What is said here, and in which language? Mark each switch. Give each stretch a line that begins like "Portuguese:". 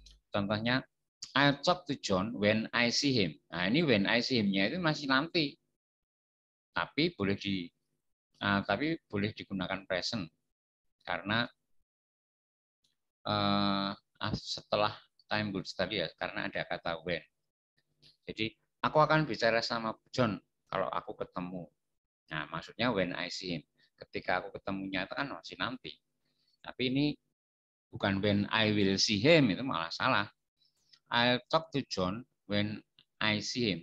English: Contohnya, I'll talk to John when I see him.
Indonesian: Nah, ini
English: when I see him-
Indonesian: nya itu masih nanti. Tapi boleh di tapi boleh digunakan present. Karena setelah time good study ya, karena ada kata when. Jadi, aku akan bicara sama John kalau aku ketemu. Nah, maksudnya
English: when I see him.
Indonesian: Ketika aku ketemunya itu kan masih nanti. Tapi ini bukan
English: when I will see him,
Indonesian: itu malah salah.
English: I'll talk to John when I see him.